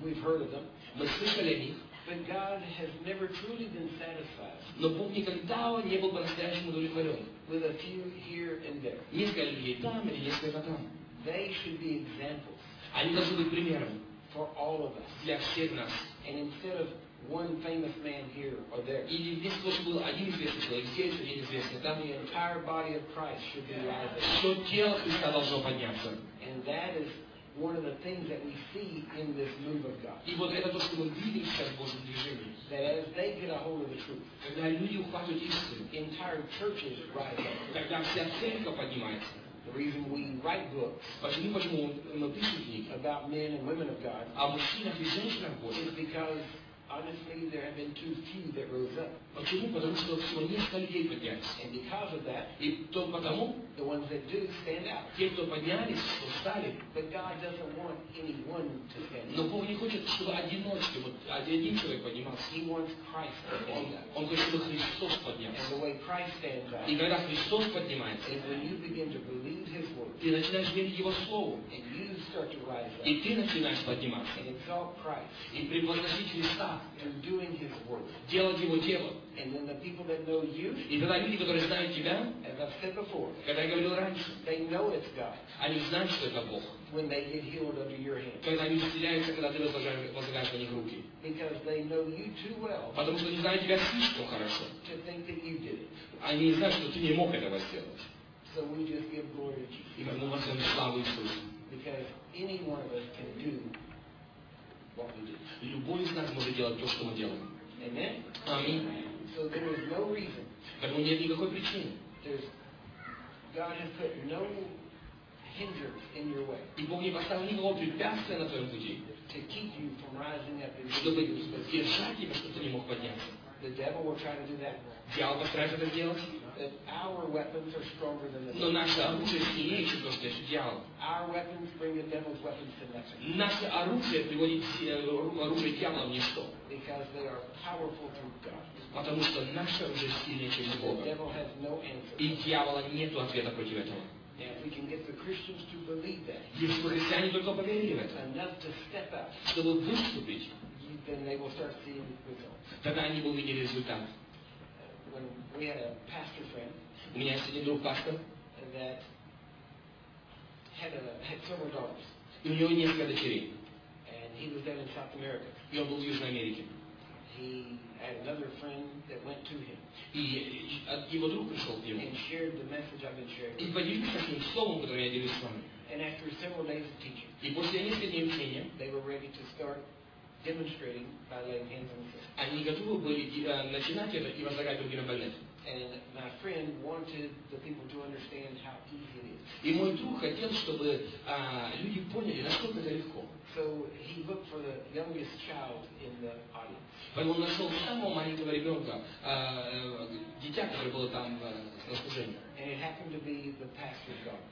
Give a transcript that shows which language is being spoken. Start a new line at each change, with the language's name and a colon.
English: We've heard of them.
Russian: Мы слышали о них.
English: But God has never truly been satisfied.
Russian: Но Бог никогда не был по-настоящему удовлетворен.
English: With a few here and there.
Russian: Несколько людей там или несколько там.
English: They should be examples.
Russian: Они должны быть примером.
English: For all of us.
Russian: Для всех нас.
English: And instead of one famous man here or there.
Russian: И здесь должен был один известный человек, здесь один известный. Там
English: the entire body of Christ should be rising.
Russian: Все тело Христа должно подняться.
English: And that is one of the things that we see in this move of God.
Russian: И вот это то, что мы видим сейчас в Божьем движении.
English: That as they get a hold of the truth.
Russian: Когда люди ухватывают истину.
English: Entire churches rise up.
Russian: Когда вся церковь поднимается.
English: The reason we write books.
Russian: Почему мы пишем книги.
English: About men and women of God.
Russian: О мужчинах и женщинах Божьих.
English: Is because honestly, there have been too few that rose up.
Russian: Почему? Потому что всего несколько людей поднялись.
English: And because of that,
Russian: и то потому,
English: the ones that do stand out.
Russian: Те, кто поднялись, то стали.
English: But God doesn't want anyone to stand out.
Russian: Но Бог не хочет, чтобы одиночки, вот один человек поднимался.
English: He wants Christ to stand out.
Russian: Он хочет, чтобы Христос поднялся.
English: And the way Christ stands out.
Russian: И когда Христос поднимается,
English: is when you begin to believe His word.
Russian: Ты начинаешь верить Его слову.
English: And you start to rise up.
Russian: И ты начинаешь подниматься.
English: And exalt Christ.
Russian: И превозносить Христа.
English: And doing His work.
Russian: Делать Его дело.
English: And then the people that know you.
Russian: И тогда люди, которые знают тебя.
English: As I've said before.
Russian: Когда я говорил раньше.
English: They know it's God.
Russian: Они знают, что это Бог.
English: When they get healed under your hand.
Russian: Когда они исцеляются, когда ты возлагаешь на них руки.
English: Because they know you too well.
Russian: Потому что они знают тебя слишком хорошо.
English: To think that you did it.
Russian: Они знают, что ты не мог этого сделать.
English: So we just give glory to Jesus.
Russian: И мы возьмем славу Иисусу.
English: Because any one of us can do.
Russian: Любой из нас может делать то, что мы делаем. Аминь.
English: So there is no reason.
Russian: Поэтому нет никакой причины.
English: God has put no hindrance in your way.
Russian: И Бог не поставил никакого препятствия на твоем пути.
English: To keep you from rising up.
Russian: Чтобы держать тебя, чтобы ты не мог подняться.
English: The devil will try to do that.
Russian: Дьявол постарается это сделать.
English: That our weapons are stronger than the
Russian: devil. Но наше оружие сильнее, чем то, что есть дьявол.
English: Our weapons bring the devil's weapons to nothing.
Russian: Наше оружие приводит оружие дьявола в ничто.
English: Because they are powerful through God.
Russian: Потому что наше оружие сильнее, чем Бога.
English: The devil has no answer.
Russian: И дьявола нет ответа против этого.
English: If we can get the Christians to believe that.
Russian: Если христиане только поверили в это.
English: Enough to step up.
Russian: Чтобы выступить.
English: Then they will start seeing results.
Russian: Тогда они будут видеть результат.
English: When we had a pastor friend,
Russian: у меня есть один друг пастор,
English: that had several daughters.
Russian: И у него несколько дочерей.
English: And he was then in South America.
Russian: И он был в Южной Америке.
English: He had another friend that went to him.
Russian: И его друг пришел к нему.
English: And shared the message I've been sharing.
Russian: И поделился с ним словом, которое я делюсь с вами.
English: And after several days of teaching.
Russian: И после нескольких дней учения.
English: They were ready to start. Demonstrating by laying hands on the sick.
Russian: Они готовы были начинать это и возлагать руки на больных.
English: And my friend wanted the people to understand how easy it is.
Russian: И мой друг хотел, чтобы люди поняли, насколько это легко.
English: So he looked for the youngest child in the audience.
Russian: Поэтому он нашел самого маленького ребенка, дитя, которое было там на служении.
English: And it happened to be the pastor's daughter.